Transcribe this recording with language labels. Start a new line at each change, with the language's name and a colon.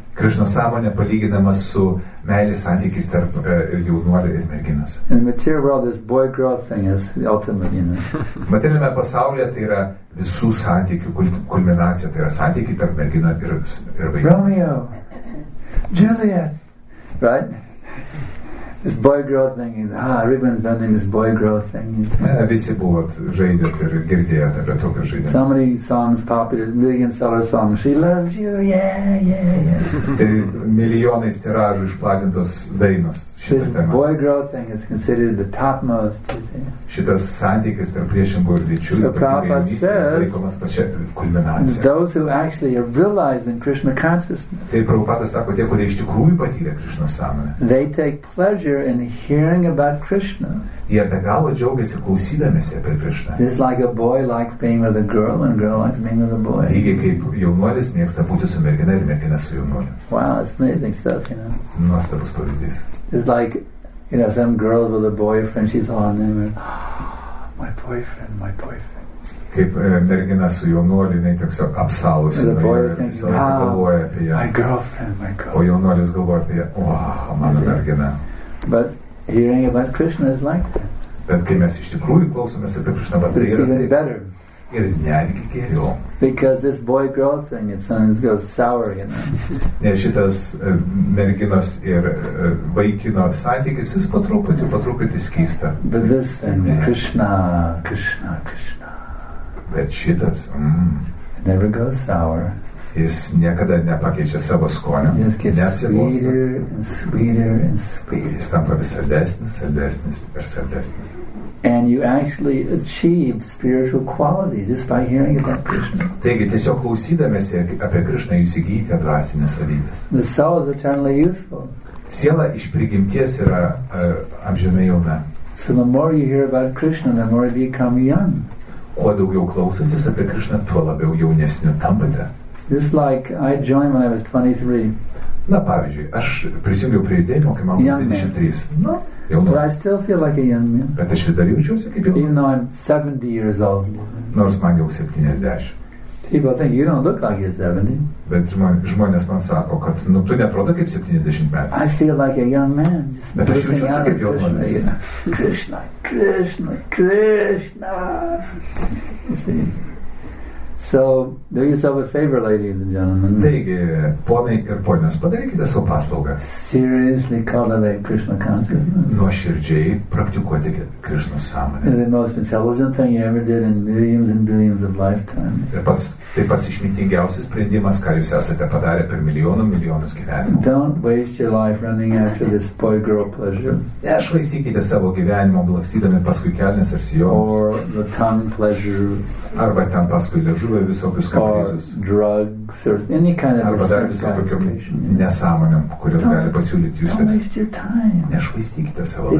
Lithuanian: Krishna sąmonė palyginamas su meilės santykis tarp jaunuolio ir merginos.
English: In the material world, this boy-girl thing is the ultimate, you know.
Lithuanian: Materialiame pasaulyje tai yra visų santykių kulminacija, tai yra santykiai tarp merginos ir vaikino.
English: Romeo! Juliet, right? This boy-girl thing is, everyone's bending this boy-girl thing.
Lithuanian: Visi buvo žaidė ir girdėjo apie tokią žaidimą.
English: So many songs, popular, million seller songs. She loves you, yeah.
Lithuanian: Milijonai tiražų išplatintos dainos.
English: This boy-girl thing is considered the topmost, you see.
Lithuanian: Šitas santykis tarp priešingų lyčių ir laikomas pačia kulminacija.
English: Those who actually are realizing Krishna consciousness.
Lithuanian: Tai Prabhupada sako, tie, kurie iš tikrųjų patyrė Krishna sąmonę.
English: They take pleasure in hearing about Krishna.
Lithuanian: Jie be galo džiaugiasi klausydamiesi apie Krishna.
English: It's like a boy likes being with a girl and a girl likes being with a boy.
Lithuanian: Lygiai kaip jaunuolis mėgsta būti su mergina ir mergina su jaunuoliu.
English: Wow, it's amazing stuff, you know.
Lithuanian: Nuostabus pavyzdys.
English: It's like, you know, some girl with a boyfriend, she's all on them, and, my boyfriend, my boyfriend.
Lithuanian: Kaip mergina su jaunuoliu, jinai tiesiog apsalusi.
English: The boy thinks, my girlfriend, my girlfriend.
Lithuanian: O jaunuolis galvoja apie, mano mergina.
English: But hearing about Krishna is like that.
Lithuanian: Bet kai mes iš tikrųjų klausomės apie Krishna,
English: but it's even better.
Lithuanian: Ir netgi geriau.
English: Because this boy-girl thing, it sometimes goes sour, you know.
Lithuanian: Ne, šitas merginos ir vaikino santykis, jis po truputį skysta.
English: But this thing, Krishna, Krishna, Krishna.
Lithuanian: Bet šitas,
English: It never goes sour.
Lithuanian: Jis niekada nepakeičia savo skonio. Jis
English: sweeter and sweeter and sweeter.
Lithuanian: Jis tampa vis saldesnis.
English: And you actually achieve spiritual qualities just by hearing about Krishna.
Lithuanian: Taigi, tiesiog klausydamėsi apie Krishna, jūs įgyjate dvasinės savybės.
English: The soul is eternally youthful.
Lithuanian: Siela iš prigimties yra amžinai jauna.
English: So the more you hear about Krishna, the more you become young.
Lithuanian: Kuo daugiau klausotės apie Krishna, tuo labiau jaunesniu tampate.
English: This like I joined when I was 23.
Lithuanian: Na, pavyzdžiui, aš prisijungiau prie judėjimo, kai man buvo 23.
English: But I still feel like a young man.
Lithuanian: Bet aš vis dar jaučiuosi kaip jaunas.
English: Even though I'm 70 years old.
Lithuanian: Nors man jau 70.
English: People think you don't look like you're 70.
Lithuanian: Bet žmonės man sako, kad tu neatrodo kaip 70 metų.
English: I feel like a young man. Just
Lithuanian: bet aš jaučiuosi
English: out
Lithuanian: kaip jaunas.
English: Krishna, Krishna, Krishna. See? So, do yourself a favor, ladies and gentlemen.
Lithuanian: Taigi, ponai ir ponios, padarykite savo paslaugą.
English: Seriously cultivate Krishna consciousness.
Lithuanian: Nuoširdžiai praktikuoti Krishna sąmonę.
English: The most intelligent thing you ever did in millions and billions of lifetimes.
Lithuanian: Tai pats išmintingiausias sprendimas, ką jūs esate padarę per milijonus gyvenimų.
English: Don't waste your life running after this boy-girl pleasure.
Lithuanian: Nešvaistykite savo gyvenimo blakstydami paskui kelnes ar sijonus.
English: Or the tongue pleasure.
Lithuanian: Arba ten paskui liežuvio visokius kaprizus.
English: Or drugs or any kind of sexualization.
Lithuanian: Nesąmonėm, kurios gali pasiūlyti jūs.
English: Don't waste your time.
Lithuanian: Nešvaistykite savo laiką.